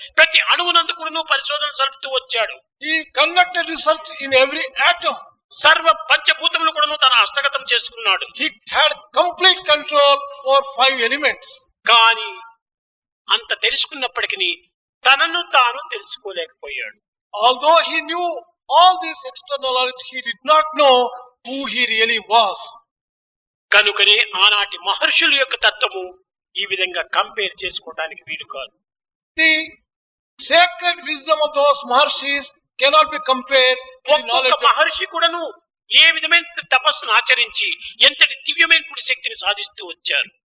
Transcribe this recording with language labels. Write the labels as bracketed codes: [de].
[te] ప్రతి అణువునందు కూడాను పరిశోధన జరుపుతూ వచ్చాడు. [en] He conducted research in every atom. [te] సర్వ పంచభూతములను కూడాను తన హస్తగతం చేసుకున్నాడు. [en] He had complete control over 5 elements. [te] కానీ అంత తెలుసుకున్నప్పటికీ తనను తాను తెలుసుకోలేకపోయాడు. [en] Although he knew all this external knowledge, he did not know who he really was. [te] కనుకనే ఆనాటి మహర్షుల యొక్క తత్వము ఈ విధంగా కంపేర్ చేసుకోవడానికి వీలు కాదు. [en] The sacred wisdom of those maharshis cannot be compared to the knowledge. [te] మహర్షి కూడాను ఏ విధమైన తపస్సును ఆచరించి ఎంతటి దివ్యమైన శక్తిని సాధిస్తూ వచ్చారు.